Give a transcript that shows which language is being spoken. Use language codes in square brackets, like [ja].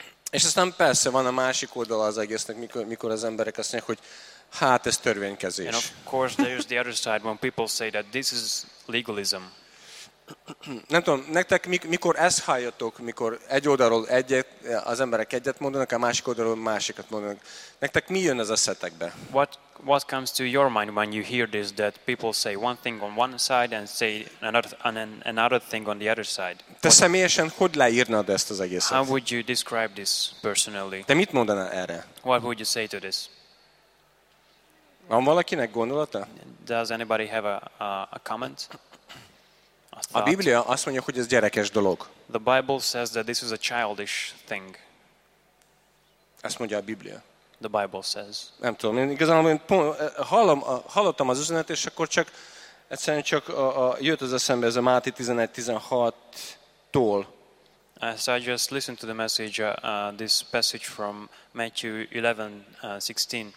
[hu] És aztán persze van a másik oldala az egésznek, mikor az emberek azt mondják, hogy hát ez törvénykezés. [en] And of course there's the other side when people say that this is legalism. [hu] Nem tudom, nektek mikor ezt halljatok, mikor egy oldalról az emberek egyet mondanak, a másik oldalról másikat mondanak. Nektek mi jön az eszetekbe? [en] What comes to your mind when you hear this, that people say one thing on one side and say another thing on the other side? [hu] Te személyesen hogy leírnád ezt az egészet? [en] How would you describe this personally? [hu] Te mit mondanál erre? [en] What would you say to this? [hu] Van valakinek gondolata? [en] Does anybody have a comment? [hu] A Biblia azt mondja, hogy ez gyerekes dolog. [en] The Bible says that this is a childish thing. [hu] Ezt mondja a Biblia. [en] The Bible says. [hu] Nem tudom, én igazán hallottam az üzenet, és akkor csak egyszerűen csak jött az eszembe ez a Máté 11:16-tól. [en] So I just listened to the message, this passage from Matthew 11:16.